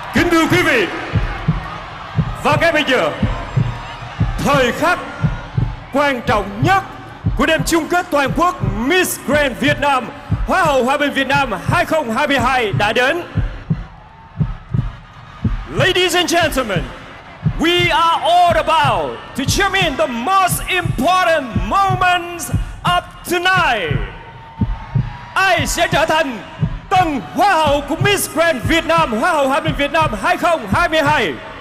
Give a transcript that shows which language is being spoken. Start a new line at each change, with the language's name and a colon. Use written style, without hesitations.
Vietnamese: Thưa quý vị, và ngay bây giờ, thời khắc quan trọng nhất của đêm chung kết toàn quốc Miss Grand Việt Nam Hoa hậu Hòa bình Việt Nam 2022 đã đến.
English: Ladies and gentlemen, we are all about to determine the most important moments of tonight.
Vietnamese: Ai sẽ trở thành Tân Hoa hậu của Miss Grand Việt Nam Hoa hậu Hòa bình Việt Nam 2022.